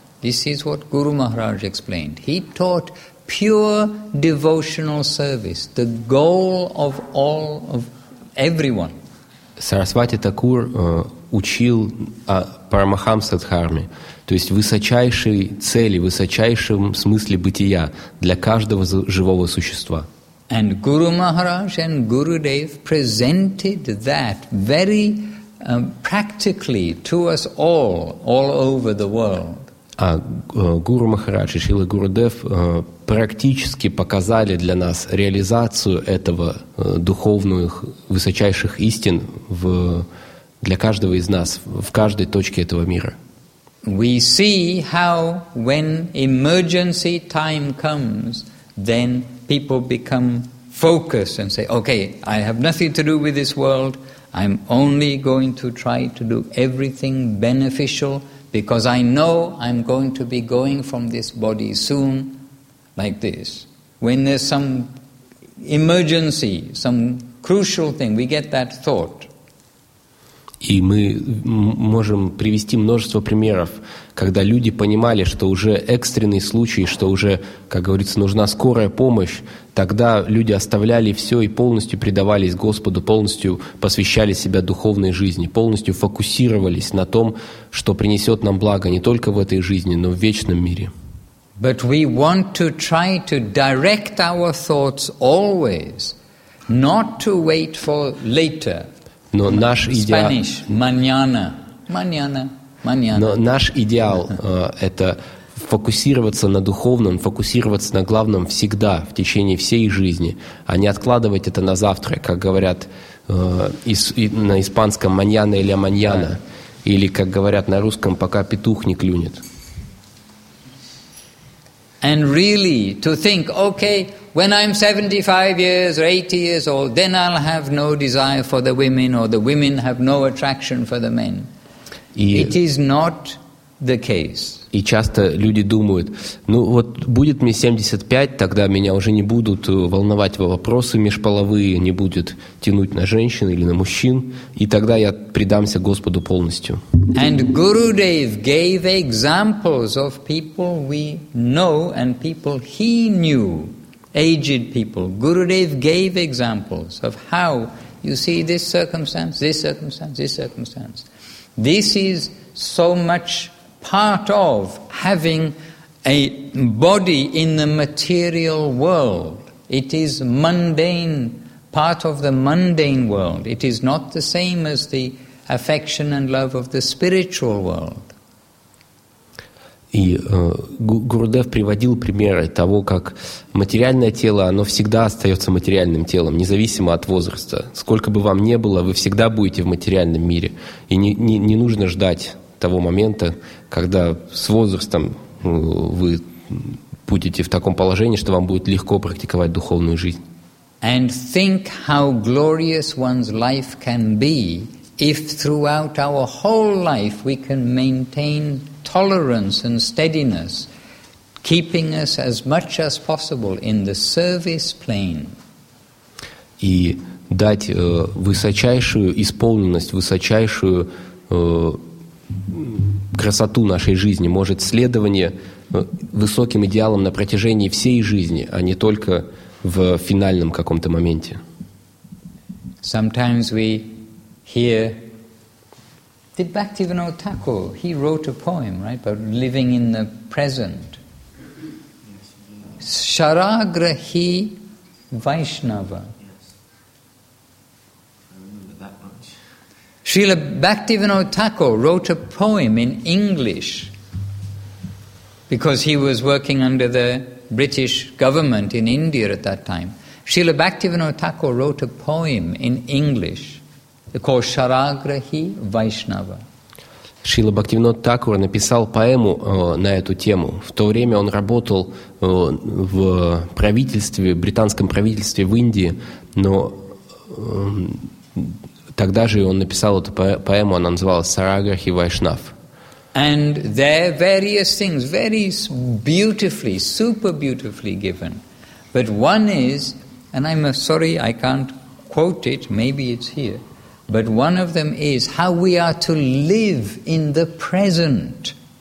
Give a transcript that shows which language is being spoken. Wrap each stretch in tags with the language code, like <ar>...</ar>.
<en>This is what Guru Maharaj explained. He taught pure devotional service, the goal of all, of everyone.</en> <ru>Сарасвати Тхакур учил о Парамахамса Дхарме, то есть высочайшей цели, высочайшем смысле бытия для каждого живого существа.</ru> <en>And Guru Maharaj and Gurudev presented that very practically to us all over the world.</en> <ru>А Гуру Махарадж и Шрила Гурудев практически показали для нас реализацию этого духовных высочайших истин в для каждого из нас, в каждой точке этого мира.</ru> <en>We see how when emergency time comes, then people become focused and say, okay, I have nothing to do with this world, I'm only going to try to do everything beneficial, because I know I'm going to be going from this body soon, like this. When there's some emergency, some crucial thing, we get that thought.</en> <ru>И мы можем привести множество примеров, когда люди понимали, что уже экстренный случай, что уже, как говорится, нужна скорая помощь, тогда люди оставляли все и полностью предавались Господу, полностью посвящали себя духовной жизни, полностью фокусировались на том, что принесет нам благо не только в этой жизни, но в вечном мире.</ru> <en>But we want to try to direct our thoughts always, not to wait for later.</en> <ru>Но наш идеал,</ru> <en>Spanish, mañana.</en> <ru>Но наш идеал это фокусироваться на духовном, фокусироваться на главном всегда, в течение всей жизни, а не откладывать это на завтра, как говорят на испанском mañana или mañana, или как говорят на русском, пока петух не клюнет.</ru> <en>And really to think, okay, when I'm 75 years or 80 years old, then I'll have no desire for the women, or the women have no attraction for the men. It is not the case.</en> <ru>И часто люди думают, ну вот будет мне 75, тогда меня уже не будут волновать вопросы межполовые, не будет тянуть на женщин или на мужчин, и тогда я предамся Господу полностью.</ru> <en>And Gurudev gave examples of people we know and people he knew, aged people. Gurudev gave examples of how you see this circumstance, this circumstance, this circumstance. This is so much part of having a body in the material world. It is mundane, part of the mundane world. It is not the same as the affection and love of the spiritual world.</en> <ru>И Гурудев приводил примеры того, как материальное тело, оно всегда остается материальным телом, независимо от возраста. Сколько бы вам ни было, вы всегда будете в материальном мире. И не нужно ждать того момента, когда с возрастом вы будете в таком положении, что вам будет легко практиковать духовную жизнь.</ru> <en>And think how glorious one's life can be if throughout our whole life we can maintain tolerance and steadiness, keeping us as much as possible in the service plane.</en> <ru>И дать высочайшую исполненность, высочайшую красоту нашей жизни может следование высоким идеалам на протяжении всей жизни, а не только в финальном каком-то моменте.</ru> <en>Sometimes we hear, did Bhaktivinoda Thakur, he wrote a poem, right, about living in the present. Sharagrahi Vaishnava. Srila Bhaktivinoda Thakur wrote a poem in English because he was working under the British government in India at that time. Srila Bhaktivinoda Thakur wrote a poem in English called Sharagrahi Vaishnava.</en> <ru>Srila Bhaktivinoda Thakur написал поэму на эту тему. В то время он работал в правительстве, британском правительстве в Индии, но тогда же он написал эту поэму, она называлась «Сараграхи Вайшнав».</ru> <en>And there are various things, very beautifully, super beautifully given. But one is, and I'm sorry, I can't quote it, maybe it's here, but one of them is how we are to live in the present.</en>